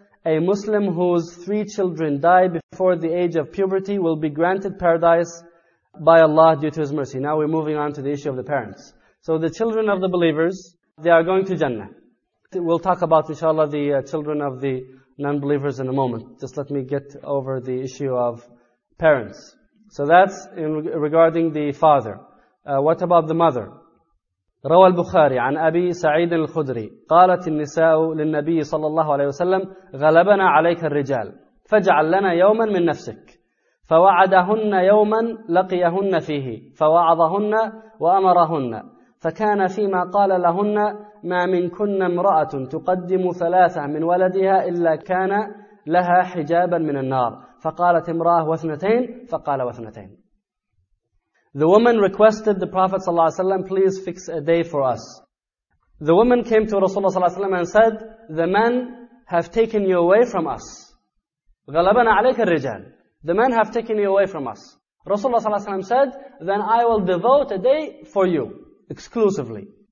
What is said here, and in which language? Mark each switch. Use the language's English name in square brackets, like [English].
[English] a Muslim whose three children die before the age of puberty will be granted paradise by Allah due to His mercy. Now we're moving on to the issue of the parents. So the children of the believers, they are going to Jannah. We'll talk about, inshallah, the children of the non-believers in a moment. Just let me get over the issue of parents. So that's in regarding the father. What about the mother? [Arabic] روى البخاري عن أبي سعيد الخدري قالت النساء للنبي صلى الله عليه وسلم غلبنا عليك الرجال فجعل لنا يوما من نفسك فوعدهن يوما لقيهن فيه فوعظهن وأمرهن فكان فيما قال لهن ما منكن امرأة تقدم ثلاثة من ولدها إلا كان لها حجابا من النار فقالت امرأة واثنتين فقال واثنتين. [English] The woman requested the Prophet ﷺ, please fix a day for us. The woman came to Rasulullah ﷺ and said, the men have taken you away from us. [Arabic] غَلَبَنَا عَلَيْكَ الرِّجَالِ. [English] The men have taken you away from us. Rasulullah ﷺ said, then I will devote a day for you, exclusively.